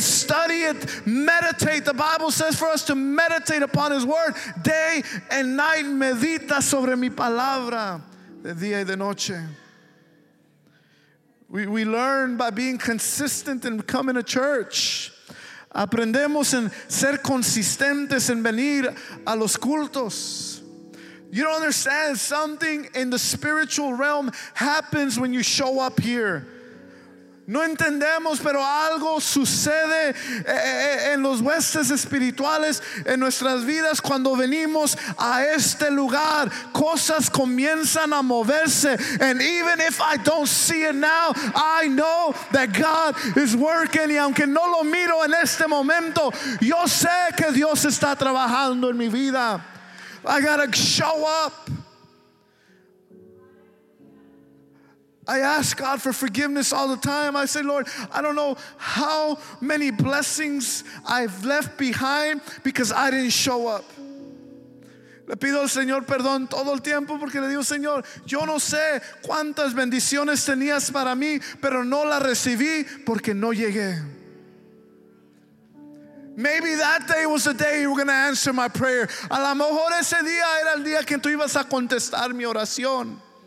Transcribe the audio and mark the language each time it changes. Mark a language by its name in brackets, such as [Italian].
[English] Study it. Meditate. The Bible says for us to meditate upon His word. Day and night. [Spanish] Medita sobre mi palabra. De día y de noche. [English] We learn by being consistent and coming to church. [Spanish] Aprendemos en ser consistentes en venir a los cultos. [English] You don't understand, something in the spiritual realm happens when you show up here. [Spanish] No entendemos, pero algo sucede en los huestes espirituales, en nuestras vidas, cuando venimos a este lugar. Cosas comienzan a moverse. [English] And even if I don't see it now, I know that God is working. [Spanish] Y aunque no lo miro en este momento, yo sé que Dios está trabajando en mi vida. [English] I gotta show up. I ask God for forgiveness all the time. I say, Lord, I don't know how many blessings I've left behind because I didn't show up. [Spanish] Le pido al Señor perdón todo el tiempo porque le digo, Señor, yo no sé cuántas bendiciones tenías para mí, pero no las recibí porque no llegué. [English] Maybe that day was the day you were going to answer my prayer. [Spanish] A lo mejor ese día era el día que tú ibas a contestar mi oración.